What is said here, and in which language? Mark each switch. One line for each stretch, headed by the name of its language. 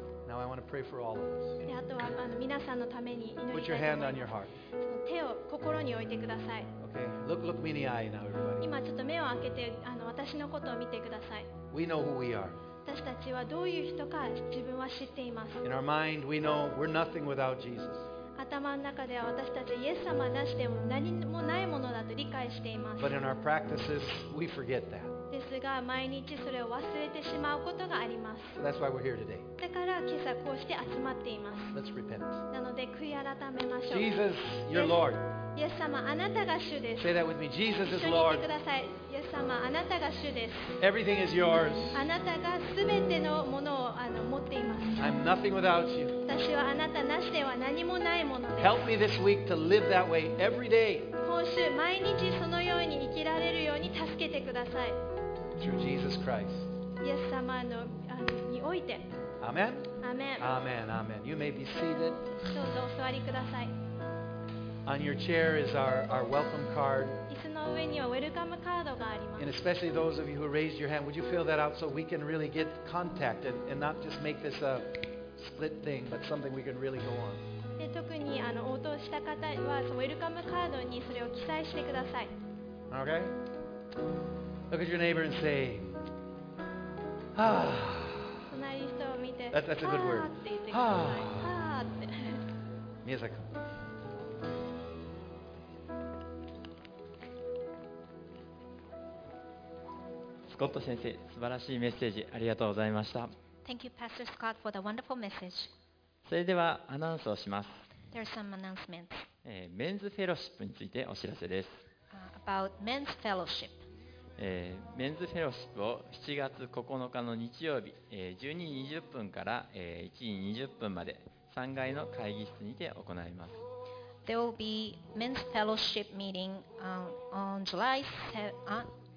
English: Now I want to pray for all of us.
Japanese: であとはあの皆さんのために祈りたいと思います。
English: Put your hand on your heart.
Japanese: その手を心に置いてください。
English: Okay. Look me in the eye now, everybody.
Japanese: 今ちょっと目を開けてあの私のことを見てください。
English: We know who we are.
Japanese: 私たちはどういう人か自分は知っています。
English: In our mind, we know we're nothing without Jesus.
Japanese: 頭の中では私たちはイエス様なしでも何もないものだと理解しています。
English: But in our practices, we forget that.
Japanese: ですが毎日それを忘れてしまうことがあります。
English: So、that's why we're here today.
Japanese: だから今朝こうして集まっています。
English: Let's repent.
Japanese: なので悔い改めましょう。
English: Jesus, your Lord.
Japanese: イエス様あなたが主です。
English: Say that with me. Jesus is Lord.
Japanese: 一緒に言ってください。イエス様あなたが主です。
English: Everything is yours.
Japanese: あなたがすべてのものをあの持っています。
English: I'm nothing without you.
Japanese: 私はあなたなしでは何もないものです。
English: Help me this week to live that way every day.
Japanese: 今週毎日そのように生きられるように助けてください。
English: Through Jesus Christ.
Japanese: イエス様のあのにおいて。
English: Amen. Amen. Amen. Amen. You may be seated.
Japanese: どうぞお座りください。
English: On your chair is our welcome card.
Japanese: 椅子の上にはウェルカムカードがあります。
English: And especially those of you who raised your hand, would you fill that out so we can really get contact and not just make this a split thing, but something we can really go on.
Japanese: 特にあの応答した方はそのウェルカムカードにそれを記載してください。
English: Okay? Look at your neighbor and say, Ah.
Japanese: 隣の人を見て、
English: That's a good word. Ah.
Japanese: スコット先生、素晴らしいメッセージありがとうございました。
English: Thank you, Pastor Scott, for the wonderful message.
Japanese: それではアナウンスをします。
English: There are some announcements.
Japanese: メンズフェロシップについてお知らせです。
English: About men's fellowship.
Japanese: メンズフェロシップを7月9日の日曜日、12時20分から1時20分まで3階の会議室にて行います。
English: There will be men's fellowship meeting on July 7th.